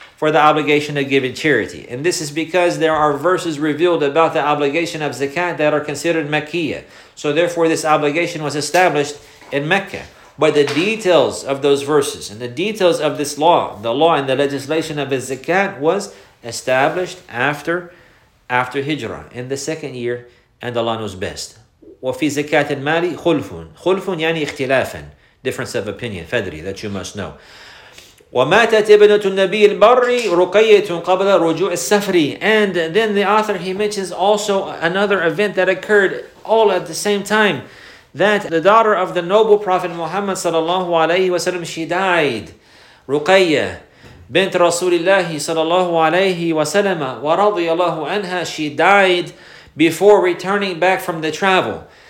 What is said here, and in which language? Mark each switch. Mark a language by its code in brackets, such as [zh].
[en] And this is because there are verses revealed about the obligation of zakat that are considered Mekkiyah. So therefore, this obligation was established in Mecca. But the details of those verses and the details of this law, the law and the legislation of zakat, was established after Hijrah, in the second year, and Allah knows best. [ar] وَفِي زَكَاتِ الْمَالِ خُلْفٌ خُلْفٌ يعني اختلافاً, [en] difference of opinion, [ar] فَدْرِي, [en] that you must know. [ar] وَمَاتَتْ إِبْنَةُ النَّبِيِّ الْبَرِّ رُقَيَّةٌ قَبْلَ رُجُوعِ السَّفْرِ. [en] And then the author, he mentions also another event that occurred all at the same time, that the daughter of the noble Prophet Muhammad sallallahu alayhi wa sallam, she died. Ruqayya bint Rasulillahi sallallahu alayhi wa sallam wa radiyallahu anha, she died before returning back from the travel.